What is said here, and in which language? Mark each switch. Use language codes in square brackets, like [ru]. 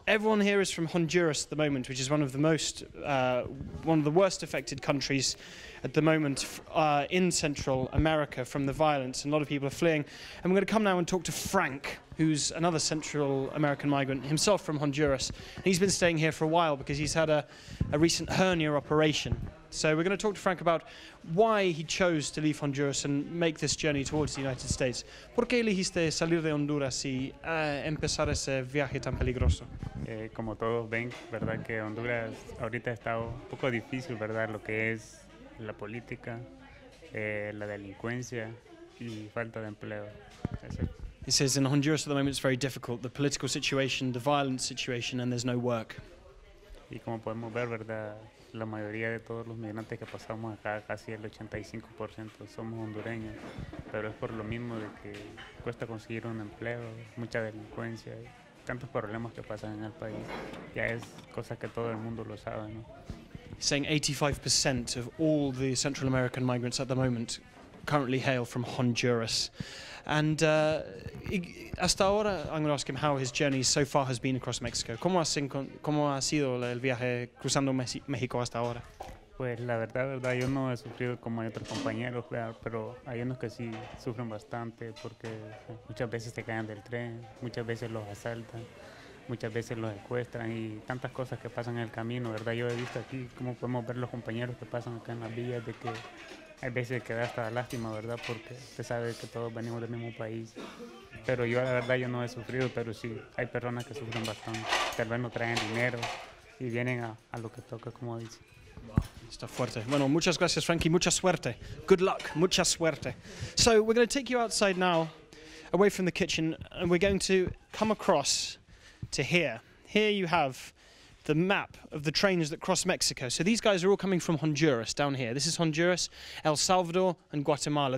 [en] Everyone here is from Honduras at the moment, which is one of the most, one of the worst affected countries at the moment in Central America from the violence, and a lot of people are fleeing. And we're going to come now and talk to Frank, who's another Central American migrant, himself from Honduras. And he's been staying here for a while because he's had a recent hernia operation. So we're going to talk to Frank about why he chose to leave Honduras and make this journey towards the United States. [es] ¿Por qué elegiste salir de Honduras y empezar ese viaje tan peligroso? Como todos ven, verdad que Honduras ahorita ha estado un poco difícil, verdad, lo que es la política, la delincuencia y falta de empleo. Eso. [en] He says in Honduras at the moment it's very difficult, the political situation, the violent situation, and there's no work. [es] Y como podemos ver, verdad, la mayoría de todos los migrantes que pasamos acá, casi el 85% somos hondureños, pero es por lo mismo de que cuesta conseguir un empleo, mucha delincuencia, tantos problemas que pasan en el país. Ya es cosa que todo el mundo lo sabe, ¿no? [en] Saying 85% of all the Central American migrants at the moment currently hail from Honduras. And [es] hasta ahora, [en] I'm going to ask him how his journey so far has been across Mexico. [es] ¿Cómo ha sido el viaje cruzando México hasta ahora? Pues la verdad, yo no he sufrido como hay otros compañeros, pero hay unos que sí sufren bastante porque muchas veces se caen del tren, muchas veces los asaltan, muchas veces los secuestran y tantas cosas que pasan en el camino, ¿verdad? Yo he visto aquí cómo podemos ver los compañeros que pasan acá en las vías, de que hay veces que da hasta lástima, ¿verdad? Porque se sabe que todos venimos del mismo país. Pero yo, la verdad, yo no he sufrido, pero sí, hay personas que sufren bastante. Tal vez no traen dinero y vienen a lo que toca, como dicen. Está fuerte. Bueno, muchas gracias, Frankie. Mucha suerte. [en] Good luck. [es] Mucha suerte. [en] So, we're going to take you outside now, away from the kitchen, and we're going to come across to here. Here you have the map of the trains that cross Mexico. So these guys are all coming from Honduras down here. This is Honduras, El Salvador, and Guatemala.